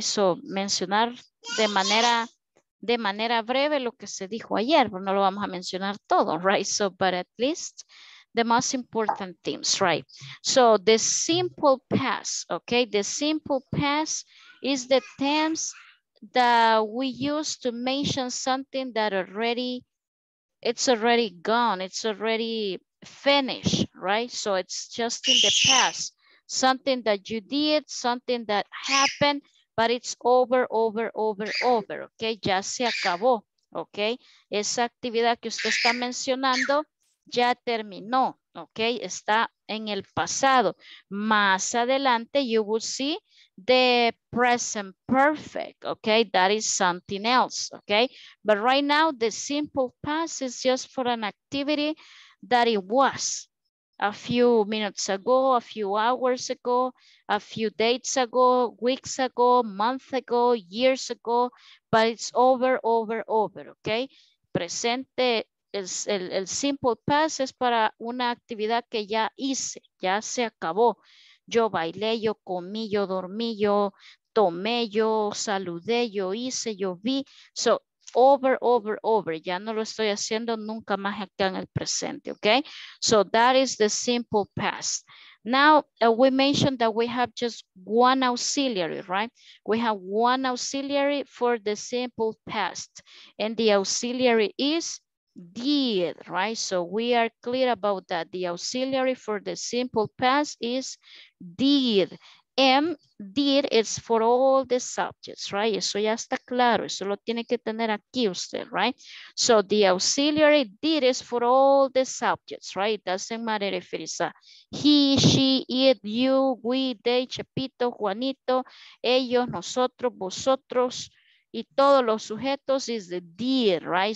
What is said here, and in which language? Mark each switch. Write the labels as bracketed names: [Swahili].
[Spanish] So mencionar de manera breve lo que se dijo ayer, pero no lo vamos a mencionar todo, [English] right? So, but at least the most important things, right? So the simple past, okay? The simple past is the tense that we use to mention something that already, it's already gone, it's already finished, right? So it's just in the past, something that you did, something that happened, but it's over, over, over, over, okay? [Spanish] Ya se acabó, [English] okay? [Spanish] Esa actividad que usted está mencionando ya terminó, [English] okay? [Spanish] Está en el pasado. Más adelante, [English] you will see the present perfect, okay? That is something else, okay? But right now, the simple past is just for an activity that it was a few minutes ago, a few hours ago, a few days ago, weeks ago, month ago, years ago, but it's over, over, over, okay? [Spanish] Presente, el simple past es para una actividad que ya hice, ya se acabó. Yo bailé, yo comí, yo dormí, yo tomé, yo saludé, yo hice, yo vi. [English] So, over, over, over. [Spanish] Ya no lo estoy haciendo nunca más acá en el presente, [English] okay? So that is the simple past. Now, we mentioned that we have just one auxiliary, right? We have one auxiliary for the simple past. And the auxiliary is did, right? So we are clear about that. The auxiliary for the simple past is did. And did is for all the subjects, right? [Spanish] Eso ya está claro. Eso lo tiene que tener aquí usted, [English] right? So the auxiliary did is for all the subjects, right? It doesn't matter if it is a he, she, it, you, we, they, Chepito, Juanito, [Spanish] ellos, nosotros, vosotros, y todos los sujetos [English] is the did, right?